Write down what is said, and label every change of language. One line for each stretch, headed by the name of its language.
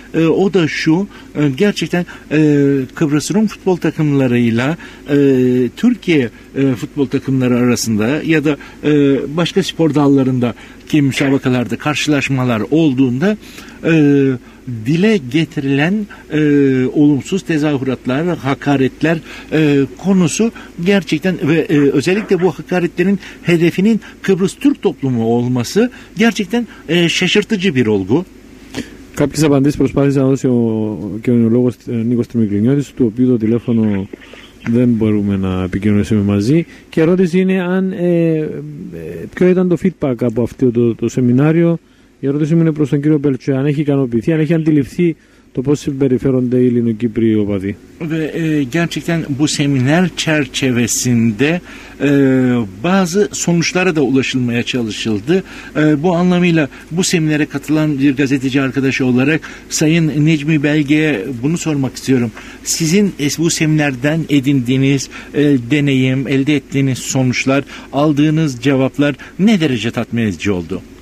Turkish: O da şu, gerçekten Kıbrıs Rum futbol takımlarıyla Türkiye futbol takımları arasında ya da başka spor dallarındaki müsabakalarda karşılaşmalar olduğunda dile getirilen olumsuz tezahüratlar, hakaretler konusu gerçekten ve özellikle bu hakaretlerin hedefinin Kıbrıs Türk toplumu olması gerçekten şaşırtıcı bir olgu.
Greek: Κάποιες απαντήσεις προσπάθησε να δώσει ο κοινωνιολόγος Νίκος Τριμικλινιώτης, του οποίου το τηλέφωνο δεν μπορούμε να επικοινωνήσουμε μαζί. Και η ερώτηση είναι αν, ποιο ήταν το feedback από αυτό το σεμινάριο. Η ερώτηση μου είναι προς τον κύριο Μπελτσέ, αν έχει ικανοποιηθεί, αν έχει αντιληφθεί το πώς συμπεριφέρονται οι Ελληνοκύπριοι οπαδοί.
Turkish: Gerçekten bu seminer çerçevesinde bazı sonuçlara da ulaşılmaya çalışıldı. Bu anlamıyla bu seminere katılan bir gazeteci arkadaşı olarak Sayın Necmi Belge'ye bunu sormak istiyorum. Sizin bu seminerden edindiğiniz deneyim, elde ettiğiniz sonuçlar, aldığınız cevaplar ne derece tatmin edici oldu?